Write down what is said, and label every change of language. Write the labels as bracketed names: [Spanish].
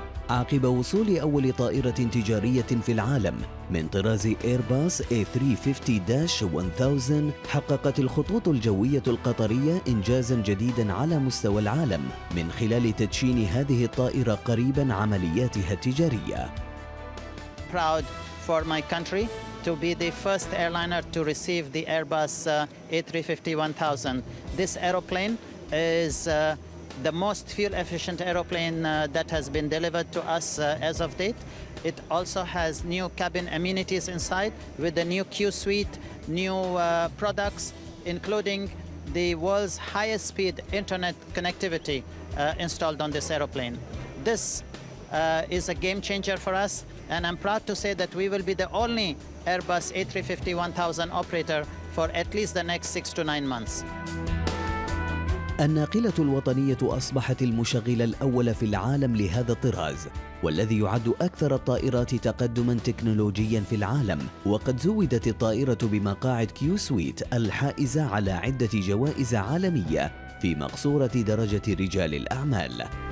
[Arabic] عقب وصول أول طائرة تجارية في العالم من طراز إيرباص A350-1000، حققت الخطوط الجوية القطرية إنجازاً جديداً على مستوى العالم من خلال تدشين هذه الطائرة قريباً عملياتها التجارية. [English] proud for my country to be the first airliner to receive the Airbus A350-1000. This aeroplane is the most fuel-efficient aeroplane that has been delivered to us as of date. It also has new cabin amenities inside with the new Q-Suite, new products, including the world's highest speed internet connectivity installed on this aeroplane. This is a game changer for us, and I'm proud to say that we will be the only Airbus A350-1000 operator for at least the next 6 to 9 months. [Arabic] الناقلة الوطنية أصبحت المشغل الأول في العالم لهذا الطراز، والذي يعد أكثر الطائرات تقدماً تكنولوجياً في العالم، وقد زودت الطائرة بمقاعد كيو سويت الحائزة على عدة جوائز عالمية في مقصورة درجة رجال الأعمال.